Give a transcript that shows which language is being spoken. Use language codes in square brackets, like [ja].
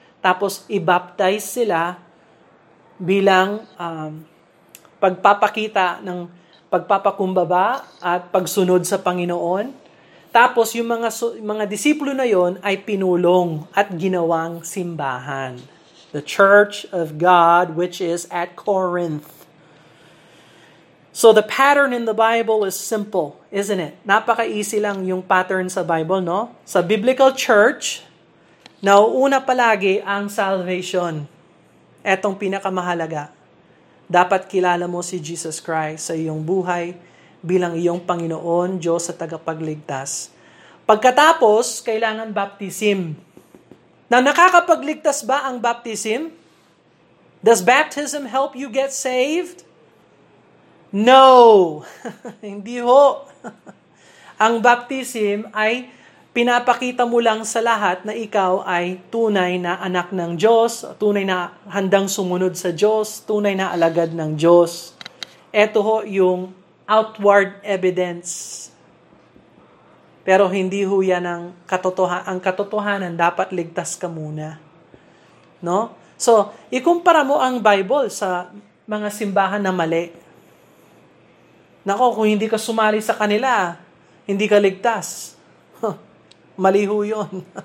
[tl] Tapos i-baptize sila bilang pagpapakita ng pagpapakumbaba at pagsunod sa Panginoon. Tapos yung mga disipulo na yon ay pinulong at ginawang simbahan. [en] The Church of God, which is at Corinth. So the pattern in the Bible is simple, isn't it? [tl] Napaka-easy lang yung pattern sa Bible, no? Sa biblical church, nauuna palagi ang salvation. Etong pinakamahalaga. Dapat kilala mo si Jesus Christ sa iyong buhay bilang iyong Panginoon, Diyos at tagapagligtas. Pagkatapos, kailangan baptism. Now, nakakapagligtas ba ang baptism? [en] Does baptism help you get saved? [tl] No! Hindi ho! Ang baptism ay pinapakita mo lang sa lahat na ikaw ay tunay na anak ng Diyos, tunay na handang sumunod sa Diyos, tunay na alagad ng Diyos. Ito ho yung outward evidence. Pero hindi ho yan ang katotohanan. Ang katotohanan, dapat ligtas ka muna. No? So, ikumpara mo ang Bible sa mga simbahan na mali. Nako, kung hindi ka sumali sa kanila, hindi ka ligtas. Mali ho yun.